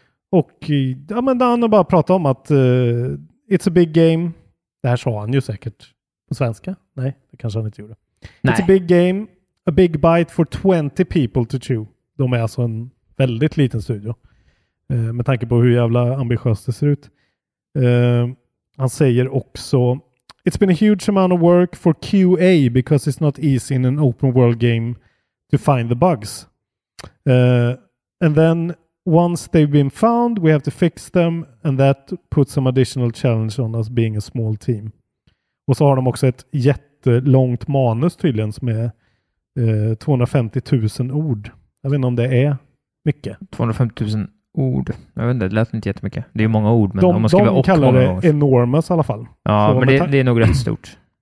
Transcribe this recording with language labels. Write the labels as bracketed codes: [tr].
[sv] Och ja, men han har bara pratat om att [en] it's a big game. [sv] Det här sa han ju säkert på svenska. Nej, det kanske han inte gjorde. Nej. [en] It's a big game. A big bite for 20 people to chew. [sv] De är alltså en väldigt liten studio. Med tanke på hur jävla ambitiöst det ser ut. Han säger också: [en] it's been a huge amount of work for QA because it's not easy in an open world game to find the bugs. And then once they've been found, we have to fix them, and that puts some additional challenge on us being a small team. [sv] Och så har de också ett jättelångt manus tydligen som är 250 000 ord. Jag vet inte om det är mycket. 250 000 ord. Jag vet inte, det lät inte jättemycket. Det är ju många ord, men de, om man skriver de kallar det enormous i alla fall. Ja, så, men det är nog rätt stort.